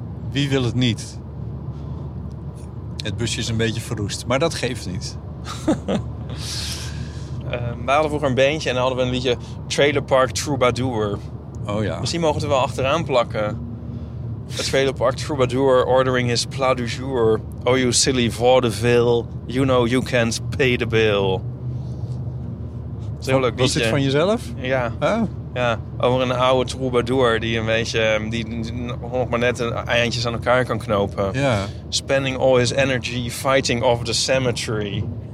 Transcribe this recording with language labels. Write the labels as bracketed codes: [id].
[nl] Wie wil het niet? Het busje is een beetje verroest, maar dat geeft niet. We hadden vroeger een beentje en dan hadden we een liedje Trailer Park Troubadour. Oh ja. Misschien mogen we het er wel achteraan plakken. [en] A Trailer Park Troubadour ordering his plat du jour. Oh you silly vaudeville, you know you can't pay the bill. [nl] Heel leuk liedje. Was dit van jezelf? Ja. Oh. Ja, over een oude troubadour die een beetje... die nog maar net eindjes aan elkaar kan knopen. Ja. [en] Spending all his energy fighting off the cemetery.